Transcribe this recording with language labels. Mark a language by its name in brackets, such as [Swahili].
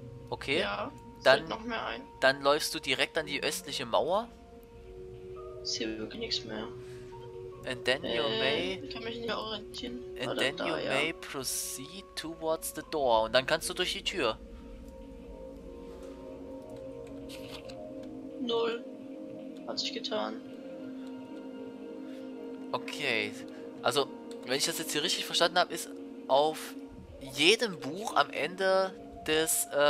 [German] Okay. Ja. Dann noch mehr ein. Dann läufst du direkt an die östliche Mauer. Ich sehe wirklich nichts mehr. [English] And then you may. [German] Ich kann mich nicht orientieren. [English] And then you may proceed towards the door. [German] Und dann kannst du durch die Tür. Null. Hat sich getan. Okay. Also, wenn ich das jetzt hier richtig verstanden habe, ist auf jedem Buch am Ende des.